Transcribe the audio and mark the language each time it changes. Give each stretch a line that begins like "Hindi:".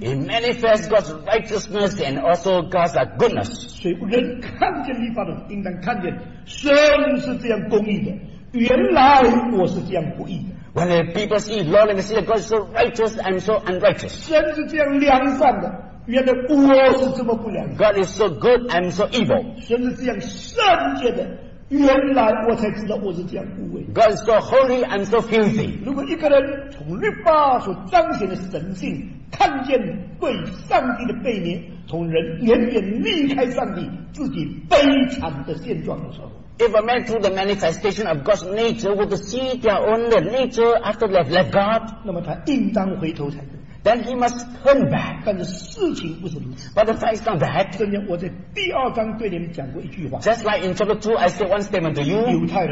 English: it manifests God's righteousness and also God's goodness.
Chinese: 所以人看见律法的时候应当看见神是这样公义的。原来我是这样不义的。
English: When the people see law, they see that God is so righteous and so unrighteous.
Chinese: 神是这样良善的。原来我是这么不良的。
English: God is so good and so evil.
Chinese: 神是这样圣洁的。原来我才知道我是这样无畏。
English: God is so holy and so filthy.
Chinese: 如果一个人从律法所彰显的神性, 看见对上帝的背面, 从人远远离开上帝, 自己悲惨的现状的时候,
English: if a man through the manifestation of God's nature were to see their own nature after they have left God,
Chinese: 那么他应当回头才对,
English: then he must turn back.
Chinese: 但是事情不是如此,
English: but the fact is not that.
Chinese: 正念我在第二章对你们讲过一句话,
English: just like in chapter 2, I said one statement to you.